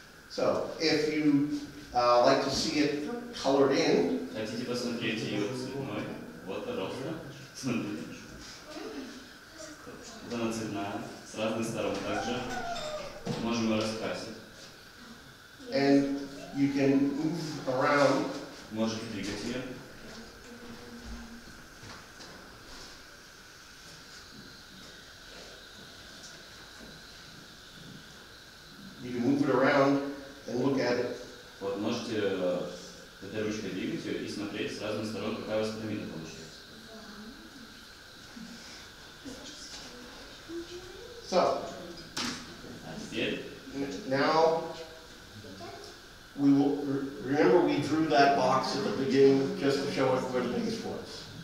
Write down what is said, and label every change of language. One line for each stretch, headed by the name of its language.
English: So if you like to see it colored in.
Russian: Хотите посмотреть ее цветной? Вот, пожалуйста. Смотрите. Она цветная, с разных сторон также. Можем ее раскрасить.
English: And you can move around.
Russian: Можете двигать ее.
English: You can move it around and look at it.
Russian: Вот можете этой ручкой двигать ее и смотреть с разных сторон, какая у вас пирамида получается.
English: So, now, we will remember we drew that box at the beginning just to show us what it means for us.